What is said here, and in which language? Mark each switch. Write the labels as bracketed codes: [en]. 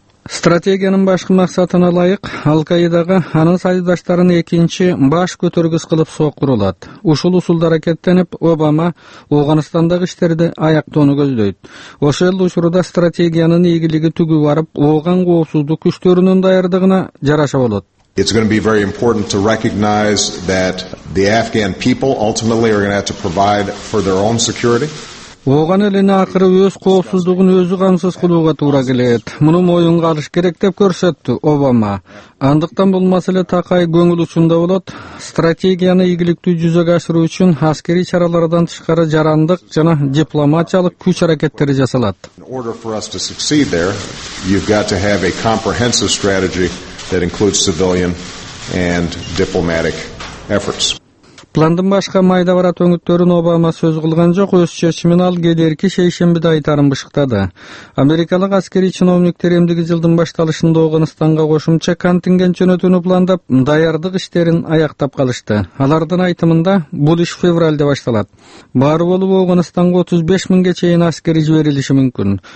[ky] Стратегиянын башкы максатына ылайык, Ал-Каидага анын союздаштарын экинчи баш көтөргүс кылып соокурулат. Ушул усулда аракеттенип, Обама Ооганстандагы иштерди аяктоону көздөйт. Ошол эле учурда стратегиянын ийгилиги түгү барып, Ооган коопсуздук күчтөрүнүн даярдыгына жараша болот. [en] It's going to be very important to recognize that the Afghan people ultimately are going to have to provide for their own security. [ky] Ооган элине акыры өз коопсуздугун өзү камсыз кылууга туура келет. Муну моюнга алыш керек деп көрсөттү Обама. Андыктан бул маселе такай көңүл учунда болот. Стратегияны ийгиликтүү жүзөгө ашыруу үчүн аскерий чаралардан тышкары жарандык жана дипломатиялык күч аракеттери жасалат. [en] In order for us to succeed there, you've got to have a comprehensive strategy that includes civilian and diplomatic efforts. [ky] Пландын башка майда бара төңүттөрүн Обама сөз кылган жок, өз чечимин ал келерки шейшембиде айтарын бышыктады. Америкалык аскерий чиновниктер эмдиги жылдын башталышында Ооганстанга кошумча контингент жөнөтүүнү пландап, даярдык иштерин аяктап калышты. Алардын айтымында бул иш февралда башталат. Бары болуп Ооганстанга 35 миңге чейин аскерий жиберилиши мүмкүн.